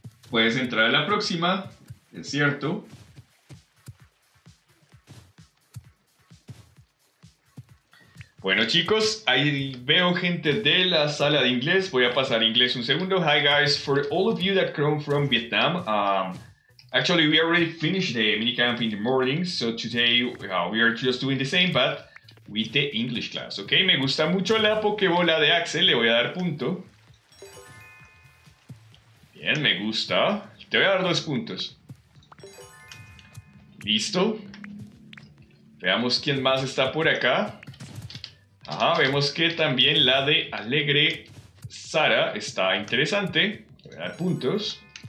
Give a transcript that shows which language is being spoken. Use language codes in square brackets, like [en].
[es] Puedes entrar a la próxima, es cierto. Bueno, chicos, ahí veo gente de la sala de inglés. Voy a pasar a inglés un segundo. [en] Hi guys, for all of you that come from Vietnam, actually we already finished the minicamp in the morning, so today we are just doing the same, but with the English class, ok. [es] Me gusta mucho la pokebola de Axel, le voy a dar punto. Bien, me gusta. Te voy a dar 2 puntos. Listo. Veamos quién más está por acá. Ajá, vemos que también la de Alegre Sara está interesante. Le voy a dar puntos.